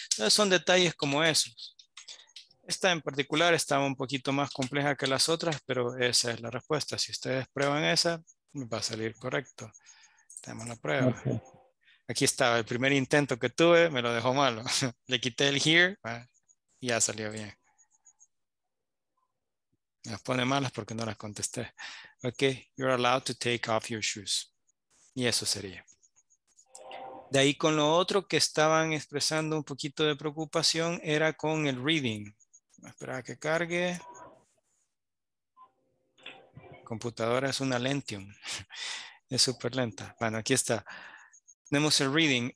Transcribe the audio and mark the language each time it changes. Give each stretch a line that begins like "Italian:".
Spanish: Entonces son detalles como esos. Esta en particular estaba un poquito más compleja que las otras, pero esa es la respuesta. Si ustedes prueban esa, va a salir correcto. Tenemos la prueba. Okay. aquí estaba, el primer intento que tuve me lo dejó malo. Le quité el here y ya salió bien. Me pone malas porque no las contesté.
English: Ok, you're allowed to take off your shoes.
Spanish: Y eso sería. De ahí con lo otro que estaban expresando un poquito de preocupación era con el reading. Espera que cargue. Computadora es una Lentium. Es súper lenta. Bueno, aquí está. Tenemos el reading.